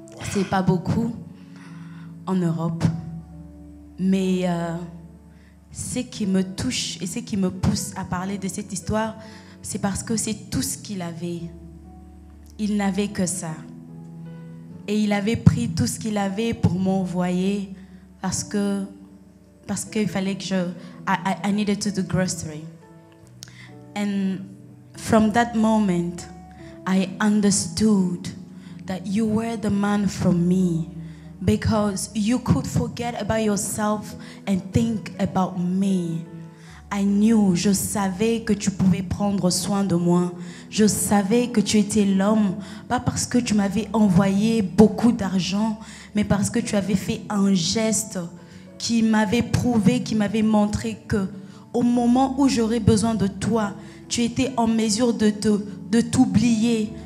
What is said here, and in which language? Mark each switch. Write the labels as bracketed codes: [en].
[fr] C'est pas beaucoup en Europe. Mais ce qui me touche et ce qui me pousse à parler de cette histoire, c'est parce que c'est tout ce qu'il avait. Il n'avait que ça. Et il avait pris tout ce qu'il avait pour m'envoyer parce que il fallait que je... [en] I needed to do grocery. And from that moment, I understood that you were the man for me because you could forget about yourself and think about me. I knew, [fr] je savais que tu pouvais prendre soin de moi. Je savais que tu étais l'homme, pas parce que tu m'avais envoyé beaucoup d'argent, mais parce que tu avais fait un geste qui m'avait prouvé, qui m'avait montré que au moment où j'aurais besoin de toi, tu étais en mesure de t'oublier.